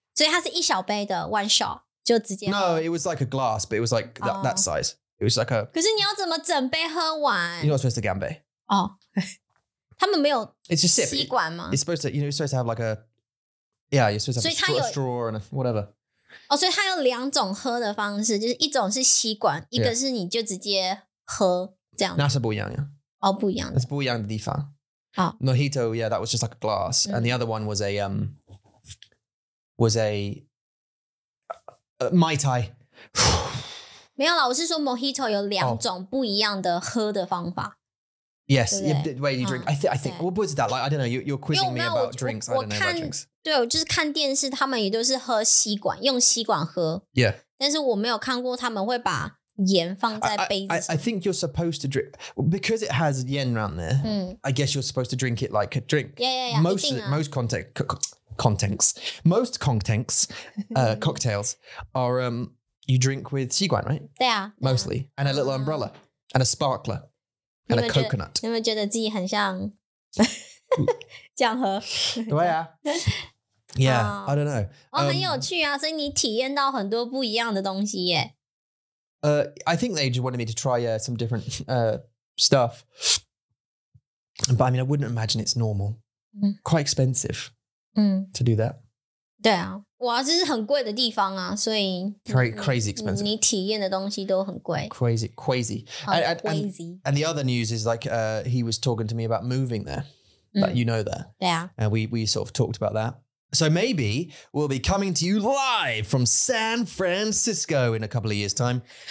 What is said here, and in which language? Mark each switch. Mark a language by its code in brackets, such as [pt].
[en] So it has a 一小杯的 one shot, 就直接... No, it was like a glass, but it was like that size. It was like a... [zh] 可是你要怎么整杯喝完? [en] You're not supposed to gambe. [zh] Oh. 他们没有 [en] It's just sip. [zh] 吸管吗? [en] It's supposed to, you know, you're supposed to have like a... Yeah, you're supposed to have a straw and a whatever. [zh] Oh, 所以它有两种喝的方式,就是一种是吸管,一个是你就直接喝,这样。那是不一样的。哦,不一样的。那是不一样的地方。好。 [en] Mojito, yeah, that was just like a glass. And the other one was a Mai Tai. [zh] 没有啦，我是说 mojito 有两种不一样的喝的方法。 [en] Yes, the way you drink. I think. What was that like? I don't know. You're quizzing me about drinks. I don't know about drinks. [zh] 对，我就是看电视，他们也都是喝吸管，用吸管喝。 [en] Yeah. [zh] 但是我没有看过他们会把盐放在杯子。 [en] I think you're supposed to drink because it has yen around there. I guess you're supposed to drink it like a drink. Yeah. Most contents. Most contents. cocktails are you drink with 西瓜, right? [zh] 对啊, [en] mostly. Yeah. And a little umbrella. And a sparkler. And a coconut. [zh] 你们觉得自己很像...这样喝? [en] 对啊。Yeah, I don't know. [zh] 哦,很有趣啊, 所以你体验到很多不一样的东西耶。 [en] I think they just wanted me to try some different stuff. But I mean, I wouldn't imagine it's normal. Quite expensive to do that. [zh] 对啊,哇,这是很贵的地方啊, 所以... [en] Crazy expensive. [zh] 你体验的东西都很贵。 [en] Crazy. And the other news is like he was talking to me about moving there. That you know that. Yeah. And we sort of talked about that. So maybe we'll be coming to you live from San Francisco in a couple of years' time.